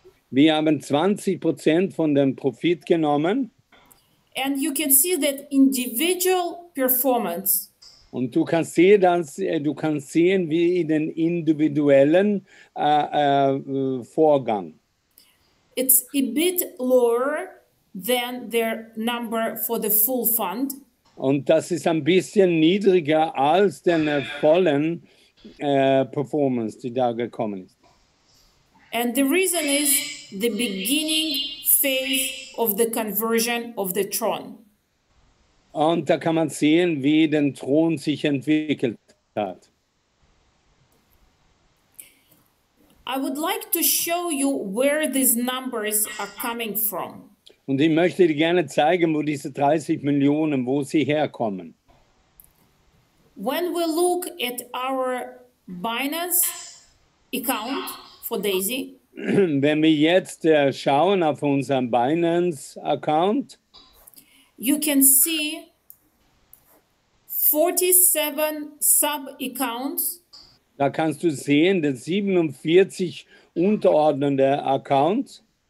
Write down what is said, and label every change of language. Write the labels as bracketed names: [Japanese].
[German] Wir haben 20% von dem Profit genommen. [English] And you can see that individual performance. [German] Und du kannst sehen, wie in den individuellen Vorgang. [English] It's a bit lower than their number for the full fund. [German] Und das ist ein bisschen niedriger als den vollen Performance, die da gekommen ist. [English] And the reason is the beginning phase of the conversion of the Tron. [German] Und da kann man sehen, wie den Tron sich entwickelt hat. [English] I would like to show you where these numbers are coming from. [German] Und ich möchte dir gerne zeigen, wo diese 30 Millionen, wo sie herkommen. [English] When we look at our Binance account for Daisy, [German] wenn wir jetzt schauen auf unseren Binance Account, [English] you can see 47 sub accounts. [German] Da kannst du sehen, dass 47 unterordnende Accounts